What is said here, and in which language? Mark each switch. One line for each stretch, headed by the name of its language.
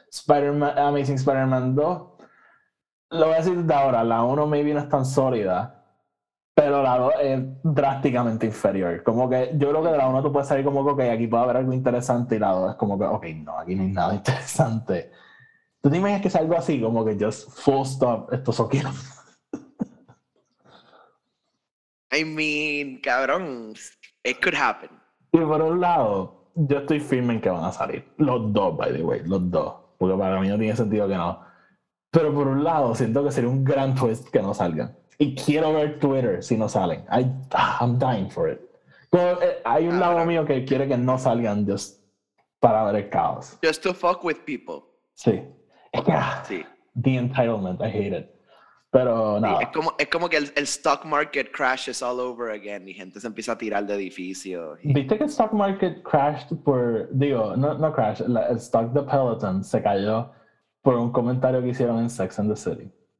Spanish: Amazing Spider-Man 2, lo voy a decir desde ahora, la 1 maybe no es tan sólida, pero la 2 es drásticamente inferior. Como que yo creo que de la 1 tú puedes salir como que, ok, aquí puede haber algo interesante, y la 2 es como que, ok, no, aquí no hay nada interesante. ¿Tú te imaginas que es algo así, como que
English: just full stop,
Spanish: esto es okay?
English: I mean, cabrón, it could happen.
Spanish: Y por un lado, yo estoy firme en que van a salir. Los dos, by the way, los dos. Porque para mí no tiene sentido que no. Pero por un lado, siento que sería un gran twist que no salgan. Y quiero ver Twitter si no salen.
English: I'm dying for it.
Spanish: Pero hay un lado Cabrón. mío que quiere que no salgan just para ver el caos.
English: Just to fuck with people.
Spanish: Sí. Sí.
English: The entitlement, I hate it.
Spanish: Pero Sí, nada. es como que el stock market
English: crashes all over again
Spanish: y gente se empieza a tirar de edificios y. ¿Viste que el stock market crashed por, digo, no crash, el stock de Peloton se cayó por un comentario que hicieron en Sex and the City?